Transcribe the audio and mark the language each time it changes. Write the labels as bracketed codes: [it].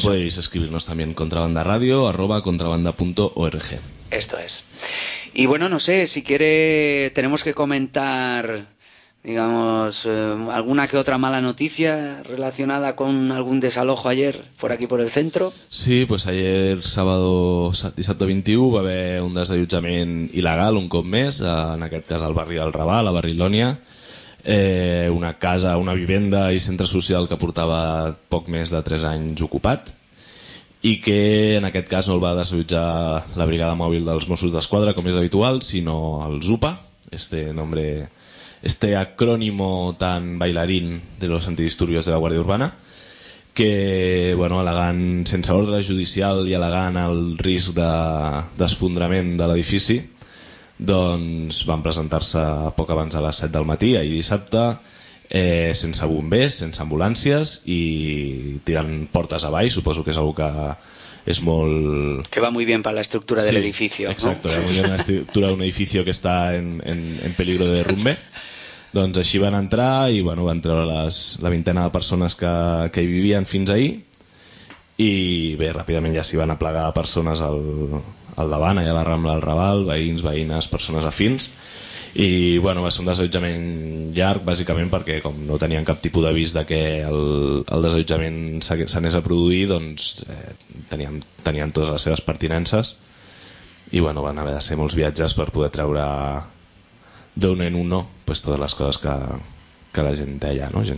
[es] Podéis escribirnos también contrabandaradio@contrabanda.org. Esto es. Y bueno, no sé, si quiere, tenemos que comentar... Digamos, alguna que otra mala noticia relacionada con algún desalojo ayer por aquí por el centro. [ca] Sí, pues ayer sábado, dissabte 21, va haver un desallotjament il·legal un cop més, en aquest cas al barri del Raval, a Barrilònia. Una casa, una vivenda i centre social que portava poc més de 3 anys ocupat. I que en aquest cas no el va desallotjar la brigada mòbil dels Mossos d'Esquadra, com és habitual, sinó el ZUPA, [es] este nombre... este acrónimo tan bailarín de los antidisturbios de la Guàrdia Urbana, [ca] que, bueno, al·legant sense ordre judicial i al·legant el risc d'esfondrament de l'edifici, doncs van presentar-se poc abans de les 7 del matí, ahir dissabte, sense bombers, sense ambulàncies i tirant portes avall, suposo que és algo que... Es molt... [es] Que va muy bien para la estructura sí, del edificio. Exacto, ¿no? Va muy bien la estructura de un edificio que está en peligro de derrumbe. [ca] Doncs així van entrar i bueno, van treure la vintena de persones que hi vivien fins ahir. I bé, ràpidament ja s'hi van aplegar persones al davant, allà a la Rambla del Raval, veïns, veïnes, persones afins. I bueno, va ser un desallotjament llarg, bàsicament perquè com no tenien cap tipus d'avís de que el desallotjament s'anés a produir, doncs tenien totes les seves pertinences i bueno, van haver de ser molts viatges per poder treure d'un en un no pues, totes les coses que la gent deia, no?